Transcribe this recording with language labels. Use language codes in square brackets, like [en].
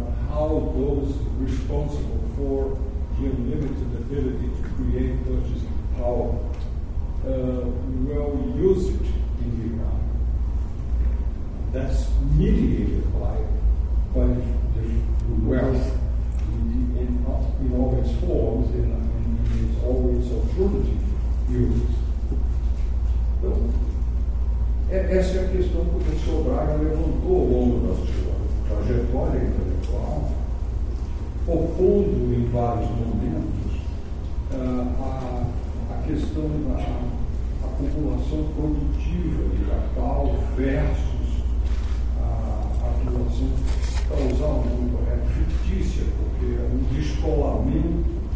[en] how those responsible for the unlimited ability to create purchasing power will use it in the economy. That's mediated by the wealth in all its forms and in its always alternative uses. [pt] Então, essa é a questão que o professor Braga levantou ao longo da sua trajetória intelectual, opondo em vários momentos a questão da acumulação produtiva de capital versus a acumulação, para usar um nome correto, fictícia, porque é um descolamento